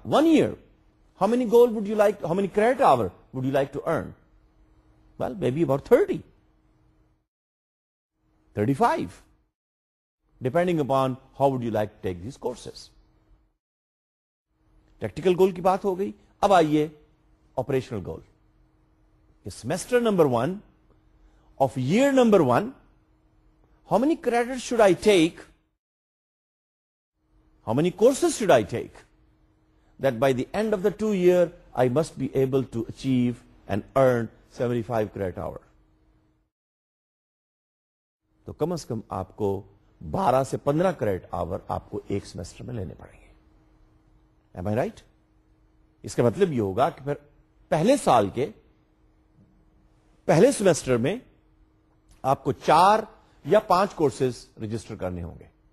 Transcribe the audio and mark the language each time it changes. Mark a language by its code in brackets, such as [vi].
[en] 1 year, how many goal would you like, how many credit hour would you like to earn? Well, maybe about 30. 35. Depending upon how would you like to take these courses. [ur] Tactical goal کی بات ہو گئی, اب آئیے operational goal. [en] Semester number one of year number one, how many credits should I take? How many courses should I take? That by the end of the 2 year, I must be able to achieve and earn 75 credit hour. [ur] تو کم از کم آپ کو 12 سے 15 credit hour آپ کو ایک semester میں لینے پڑیں گے. [en] Am I right? [ur] اس کا مطلب یہ ہوگا کہ پھر پہلے سال کے پہلے سیمسٹر میں آپ کو 4 یا 5 کورسز رجسٹر کرنے ہوں گے.